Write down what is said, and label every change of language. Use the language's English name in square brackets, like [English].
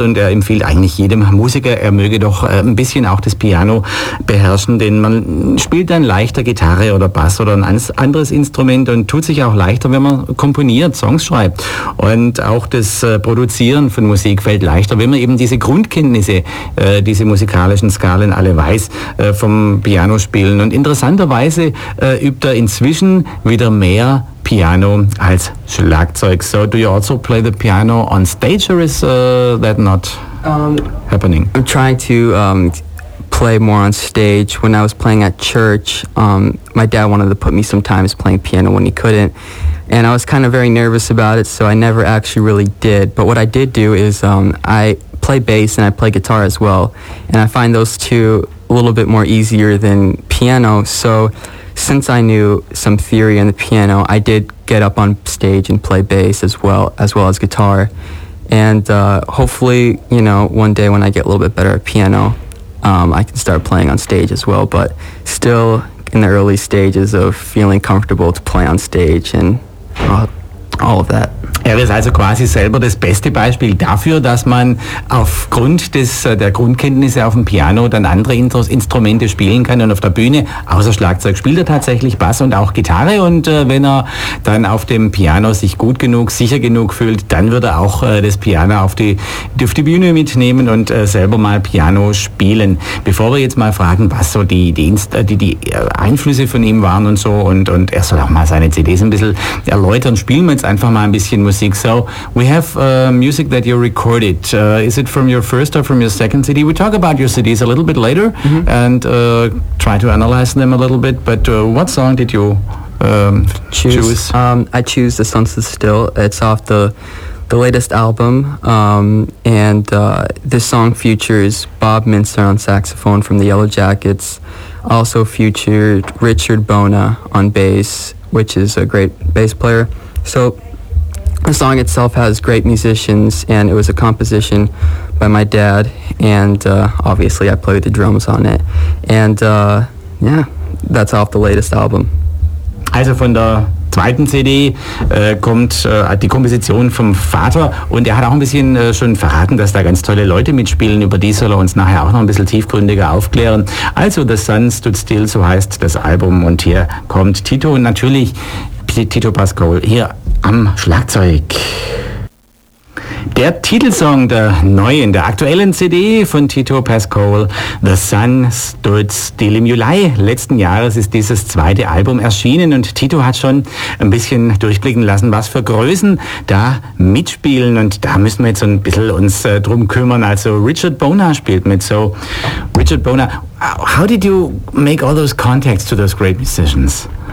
[German] Und er empfiehlt eigentlich jedem Musiker, er möge doch ein bisschen auch das Piano beherrschen, denn man spielt dann leichter Gitarre oder Bass oder ein anderes Instrument und tut sich auch leichter, wenn man komponiert, Songs schreibt. Und auch das Produzieren von Musik fällt leichter, wenn man eben diese Grundkenntnisse, diese musikalischen Skalen alle weiß, vom Piano spielen. Und interessanterweise übt er inzwischen wieder mehr piano als Schlagzeug. [English] So do you also play the piano on stage, or is that not happening? I'm trying to play more on stage. When I was playing at church, my dad wanted to put me sometimes playing piano when he couldn't, and I was kind of very nervous about it, so I never actually really did. But what I did do is I play bass and I play guitar as well, and I find those two a little bit more easier than piano. So since I knew some theory on the piano, I did get up on stage and play bass as well as guitar. And hopefully, you know, one day when I get a little bit better at piano, I can start playing on stage as well, but still in the early stages of feeling comfortable to play on stage and all of that. [German] Er ist also quasi selber das beste Beispiel dafür, dass man aufgrund der Grundkenntnisse auf dem Piano dann andere Instrumente spielen kann. Und auf der Bühne, außer Schlagzeug, spielt er tatsächlich Bass und auch Gitarre. Und wenn er dann auf dem Piano sich gut genug, sicher genug fühlt, dann wird er auch das Piano auf die Bühne mitnehmen und selber mal Piano spielen. Bevor wir jetzt mal fragen, was so die Einflüsse von ihm waren und so, und er soll auch mal seine CDs ein bisschen erläutern, spielen wir jetzt einfach mal ein bisschen music. [English] So we have music that you recorded. Is it from your first or from your second CD? We talk about your CDs a little bit later, mm-hmm. and try to analyze them a little bit. But what song did you choose? I choose The Sun Sits Still. It's off the latest album, this song features Bob Minster on saxophone from the Yellow Jackets. Also featured Richard Bona on bass, which is a great bass player. So the song itself has great musicians, and it was a composition by my dad, and obviously I played the drums on it. And yeah, that's off the latest album. [German] Also von der zweiten CD kommt die Komposition vom Vater, und er hat auch ein bisschen schon verraten, dass da ganz tolle Leute mitspielen. Über die soll er uns nachher auch noch ein bisschen tiefgründiger aufklären. Also The Sun Stood Still, so heißt das Album, und hier kommt Tito, und natürlich Tito Pascal hier am Schlagzeug. Der Titelsong der neuen, der aktuellen CD von Tito Pascal, The Sun Stood Still. Im Juli letzten Jahres ist dieses zweite Album erschienen, und Tito hat schon ein bisschen durchblicken lassen, was für Größen da mitspielen, und da müssen wir jetzt so ein bisschen uns drum kümmern. Also Richard Bona spielt mit. [English] So Richard Bona, how did you make all those contacts to those great musicians?